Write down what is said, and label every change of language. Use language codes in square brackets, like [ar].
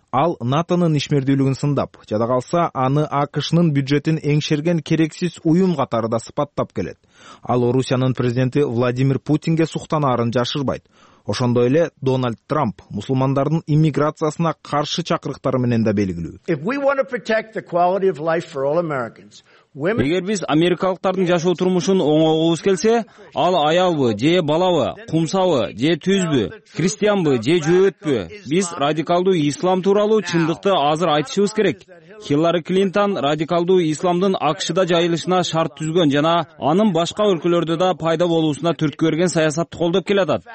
[ky] Ал НАТОнун ишмердүүлүгүн сындап, жада калса аны АКШнын бюджетин эңшерген керексиз уюм катары да сыпаттап келет. Ал Орусиянын президенти Владимир Путинге суктанаарын жашырбайт. Ошондой эле Дональд Трамп мусулмандардын иммиграциясына каршы чакырыктары менен да белгилүү. [en] If we want to protect the quality of life for all Americans, [ky] эгер биз америкалыктардын жашоо турмушун оңолгубуз келсе, ал аялбы же балабы, кумсабы же түзбү, христианбы же жөөтпү, биз радикалдуу ислам тууралуу чындыкты азыр айтышыбыз керек. Хиллари Клинтон радикалдуу исламдын АКШда жайылышына шарт түзгөн жана анын башка өлкөлөрдө да пайда болуусуна түрткү берген саясатты колдоп келатат.